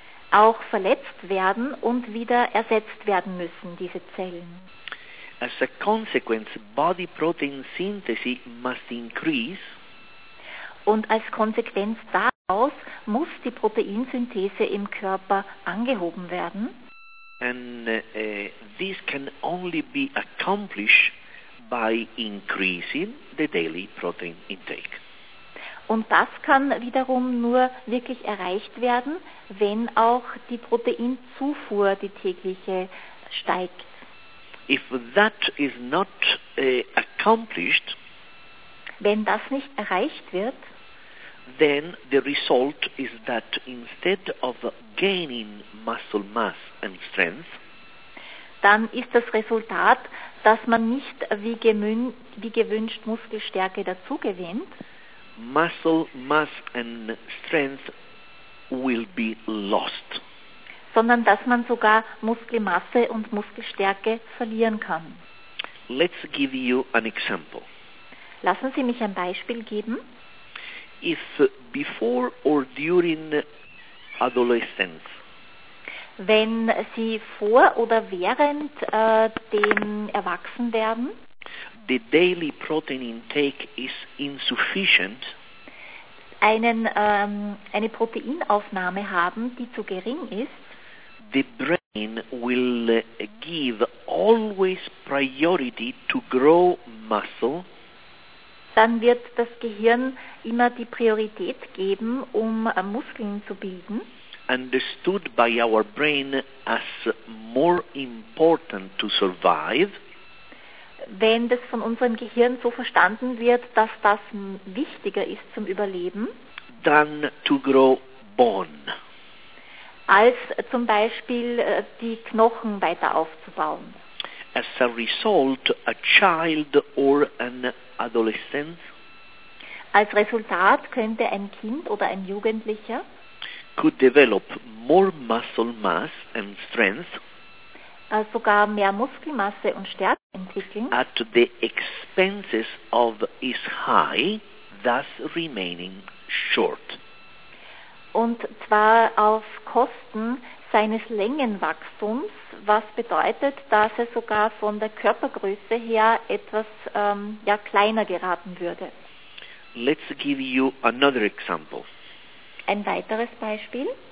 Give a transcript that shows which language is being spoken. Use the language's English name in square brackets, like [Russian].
[German] Auch verletzt werden und wieder ersetzt werden müssen, diese Zellen. [English] As a consequence, body protein synthesis must increase. [German] Und als Konsequenz daraus muss die Proteinsynthese im Körper angehoben werden. [English] And this can only be accomplished by increasing the daily protein intake. [German] Und das kann wiederum nur wirklich erreicht werden, wenn auch die Proteinzufuhr, die tägliche, steigt. [English] If that is not accomplished, [German] wenn das nicht erreicht wird, [English] then the result is that instead of gaining muscle mass and strength, [German] dann ist das Resultat, dass man nicht wie gewünscht Muskelstärke dazu gewinnt. [English] Muscle mass and strength will be lost. [German] Sondern dass man sogar Muskelmasse und Muskelstärke verlieren kann. [English] Let's give you an example. [German] Lassen Sie mich ein Beispiel geben. [English] If before or during adolescence, [German] wenn Sie vor oder während dem Erwachsenwerden [English] the daily protein intake is insufficient, [German] eine Proteinaufnahme haben, die zu gering ist, [English] the brain will give always priority to grow muscle, [German] dann wird das Gehirn immer die Priorität geben, um Muskeln zu bilden. [English] Understood by our brain as more important to survive. [German] Wenn das von unserem Gehirn so verstanden wird, dass das wichtiger ist zum Überleben, [English] than to grow bone. [German] Als zum Beispiel die Knochen weiter aufzubauen. [English] As a result, a child or an adolescent. [German] Als Resultat könnte ein Kind oder ein Jugendlicher [English] could develop more muscle mass and strength. [German] Sogar mehr Muskelmasse und Stärke entwickeln. [English] At the expenses of his high, thus remaining short. [German] Und zwar auf Kosten seines Längenwachstums, was bedeutet, dass er sogar von der Körpergröße her etwas kleiner geraten würde. [English] Let's give you another example. [German] Ein weiteres Beispiel.